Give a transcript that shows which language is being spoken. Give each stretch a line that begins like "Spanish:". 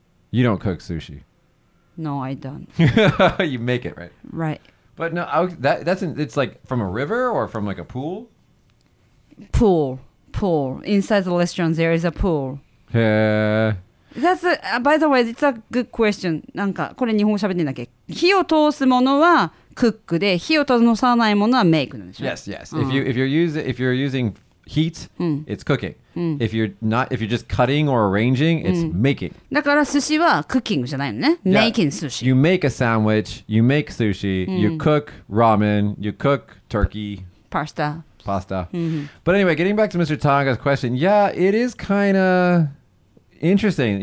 English: You don't cook sushi. No, I don't. You make it, right? Right. But no, it's like from a river or from like a pool? Pool. Inside the restaurant, there is a pool. That's by the way, it's a good question.
Japanese: なんか、これ日本語喋ってんだっけ?火を通すものはクックで、火を通さないものはメイクなんでしょ?
English: Yes, yes. Uh-huh. If you're using heat, it's cooking. If you're just cutting or arranging, it's making.
Japanese: だから寿司は cooking じゃないのね。
English: Making sushi. You make a sandwich, you make sushi, you cook ramen, you cook turkey. Pasta. Mm-hmm. But anyway, getting back to Mr. Tanaka's question, yeah, it is kind of interesting.